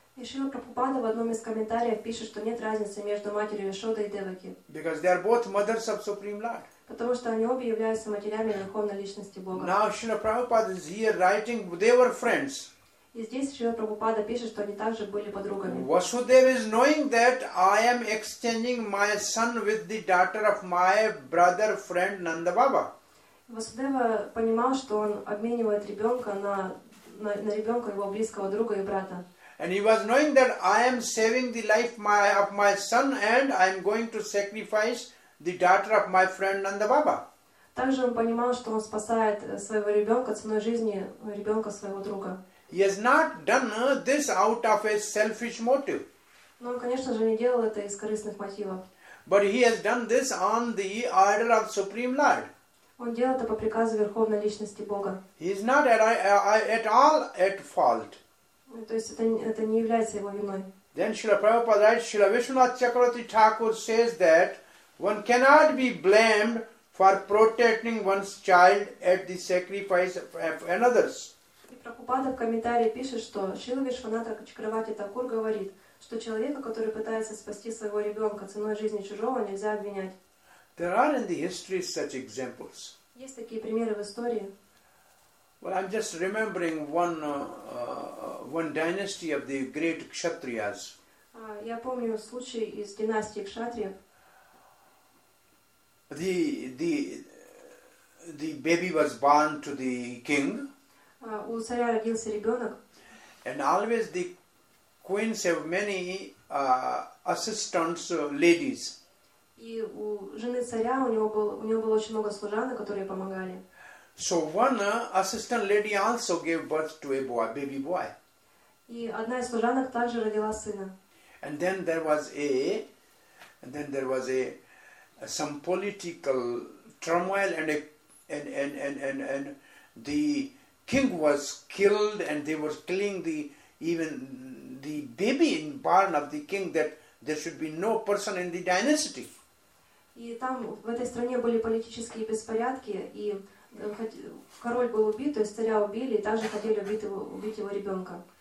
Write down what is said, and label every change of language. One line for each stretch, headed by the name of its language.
Russian: И Шрила Прабхупада в одном из комментариев пишет, что нет разницы между матерью Яшодой и Деваки.
English: Because they are both mothers of Supreme Lord.
Russian: Потому что они обе являются матерями Верховной Личности Бога.
English: Now Shrila Prabhupada is here writing they were friends.
Russian: И здесь Шрила Прабхупада пишет, что они также были подругами.
English: Vasudeva is knowing that I am exchanging my son with the daughter of my brother friend Nanda Baba.
Russian: Васудева понимал, что он обменивает ребенка на ребенка его близкого друга и брата.
English: And he was knowing that I am saving the life of my son and I am going to sacrifice the daughter of my friend Nanda Baba.
Russian: Также он понимал, что он спасает своего ребенка ценой жизни ребенка своего друга.
English: He has not done this out of a selfish motive.
Russian: Но он, конечно же, не делал это из корыстных мотивов.
English: But he has done this on the order of Supreme Lord.
Russian: Он делал это по приказу Верховной Личности Бога.
English: He is not at all at fault.
Russian: То есть это не является его виной.
English: Then Srila Prabhupada writes, Srila Vishwanath Chakravarti Thakur says that one cannot be blamed for protecting one's child at the sacrifice of another's.
Russian: И Прабхупада в комментарии пишет, что Шрила Вишванатха Чакравати Такур говорит, что человека, который пытается спасти своего ребенка ценой жизни чужого, нельзя обвинять.
English: There are in the history such examples.
Russian: Есть такие примеры в истории.
English: Well, I'm just remembering one dynasty of the great Kshatriyas.
Russian: Я помню случай из династии Кшатриев.
English: The baby was born to the king.
Russian: У царя родился ребенок.
English: And always the queens have many assistants, ladies.
Russian: И у жены царя у него было очень много служанок, которые помогали.
English: So one assistant lady also gave birth to a boy, baby boy.
Russian: И одна из служанок также родила сына.
English: And then there was some political turmoil and the king was killed and they were killing the baby in barn of the king that there should be no person in the dynasty.
Russian: И там в этой стране были политические беспорядки, и король был убит, то есть царя убили, и также хотели убить его ребенка.